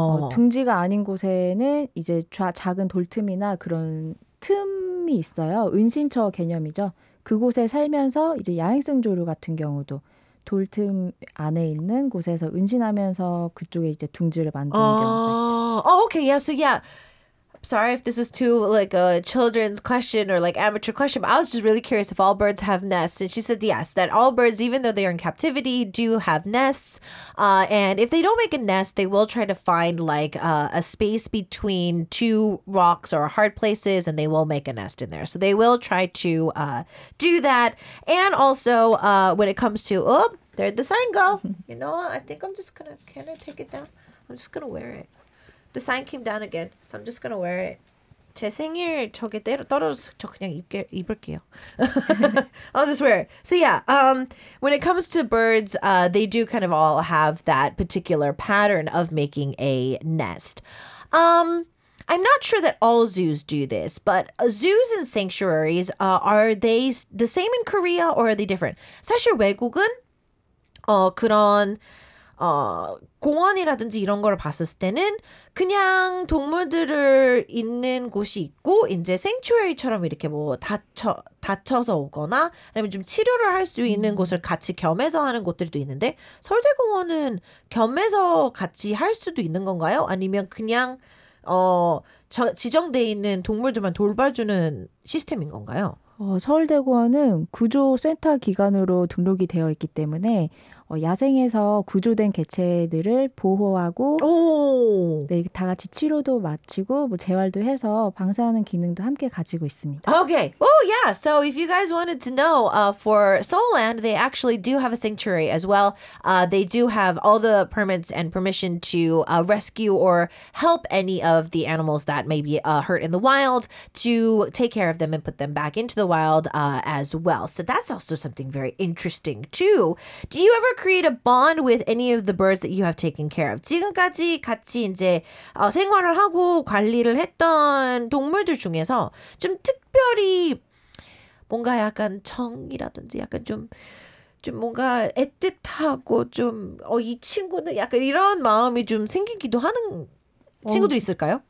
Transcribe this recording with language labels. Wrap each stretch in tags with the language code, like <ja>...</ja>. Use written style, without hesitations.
<ko>둥지가 아닌 곳에는 이제 작은 돌틈이나 그런 틈이 있어요. 은신처 개념이죠. 그곳에 살면서 이제 야행성 조류 같은 경우도 돌틈 안에 있는 곳에서 은신하면서 그쪽에 이제 둥지를 만드는 경우가 있어요.</ko> <en>Oh, okay. Yeah. So yeah. sorry if this was too like a children's question or like amateur question, but I was just really curious if all birds have nests. And she said yes, that all birds, even though they are in captivity, do have nests. And if they don't make a nest, they will try to find like a space between two rocks or hard places, and they will make a nest in there. So they will try to do that. And also when it comes to, oh, there'd the sign go. You know what? I think I'm just going to, can I take it down? I'm just going to wear it. The sign came down again, so I'm just going to wear it.</en> <ko>제 생일 저게 떨어져서 저 그냥 입을게요.</ko> <en>I'll just wear it. So yeah, when it comes to birds, they do kind of all have that particular pattern of making a nest. I'm not sure that all zoos do this, but zoos and sanctuaries, are they the same in Korea or are they different?</en> <ko>사실 외국은 그런... 공원이라든지 이런 걸 봤을 때는 그냥 동물들을 있는 곳이 있고 이제 생츄어리처럼 이렇게 뭐 다쳐서 오거나 아니면 좀 치료를 할 수 있는 곳을 같이 겸해서 하는 곳들도 있는데 서울대공원은 겸해서 같이 할 수도 있는 건가요? 아니면 그냥 지정돼 있는 동물들만 돌봐주는 시스템인 건가요? 서울대공원은 구조센터 기관으로 등록이 되어 있기 때문에 야생에서 구조된 개체들을 보호하고 오! 네, 다 같이 치료도 마치고 뭐 재활도 해서 방사하는 기능도 함께 가지고 있습니다.</ko> <en>Okay. Oh yeah. So if you guys wanted to know, for Soland, they actually do have a sanctuary as well. They do have all the permits and permission to rescue or help any of the animals that may be hurt in the wild to take care of them and put them back into the wild as well. So that's also something very interesting too. Do you ever create a bond with any of the birds that you have taken care of?</en> <ko>지금까지 같이 이제 생활을 하고 관리를 했던 동물들 중에서 좀 특별히 뭔가 약간 정이라든지 약간 좀 뭔가 애틋하고 좀 이 친구는 약간 이런 마음이 좀 생기기도 하는 친구들 있을까요?</ko>